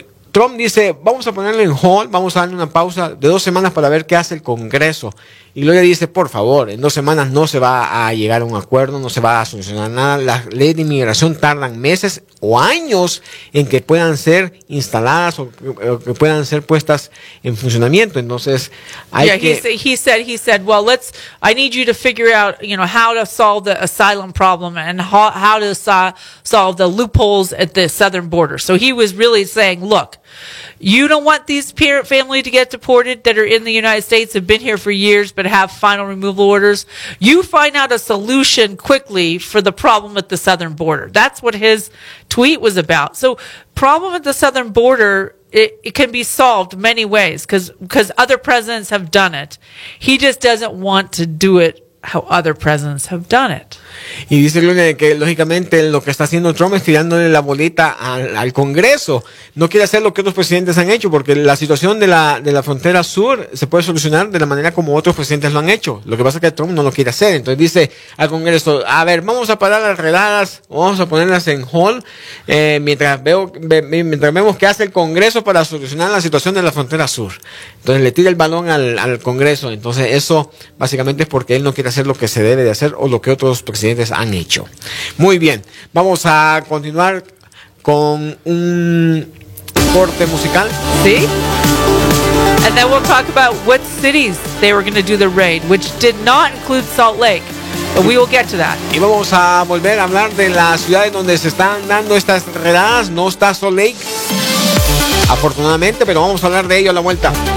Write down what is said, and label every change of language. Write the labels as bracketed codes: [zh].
[es] Trump dice, vamos a ponerlo en hold, vamos a darle una pausa de 2 semanas para ver qué hace el Congreso. Y luego ella dice, por favor, en 2 semanas no se va a llegar a un acuerdo, no se va a solucionar nada. Las leyes de inmigración tardan meses o años en que puedan ser instaladas o que puedan ser puestas en funcionamiento. Entonces, hay [en] He said, well, let's, I need you to figure out, you know, how to solve the asylum problem and how to solve the loopholes at the southern border. So he was really saying, look, you don't want these parent family to get deported that are in the United States, have been here for years, but have final removal orders. You find out a solution quickly for the problem at the southern border. That's what his tweet was about. So problem at the southern border, it can be solved many ways because other presidents have done it. He just doesn't want to do it how other presidents have done it. [es] Y dice Luna que lógicamente lo que está haciendo Trump es tirándole la bolita al Congreso. No quiere hacer lo que otros presidentes han hecho, porque la situación de la frontera sur se puede solucionar de la manera como otros presidentes lo han hecho. Lo que pasa es que Trump no lo quiere hacer. Entonces dice al Congreso, a ver, vamos a parar las redadas, vamos a ponerlas en hold, mientras vemos qué hace el Congreso para solucionar la situación de la frontera sur. Entonces le tira el balón al Congreso. Entonces eso básicamente es porque él no quiere hacer lo que se debe de hacer o lo que otros presidentes han hecho. Muy bien, vamos a continuar con un corte musical. Sí. [en] And then we'll talk about what cities they were going to do the raid, which did not include Salt Lake. But we will get to that. [es] Y vamos a volver a hablar de las ciudades donde se están dando estas redadas. No está Salt Lake, afortunadamente, pero vamos a hablar de ello a la vuelta.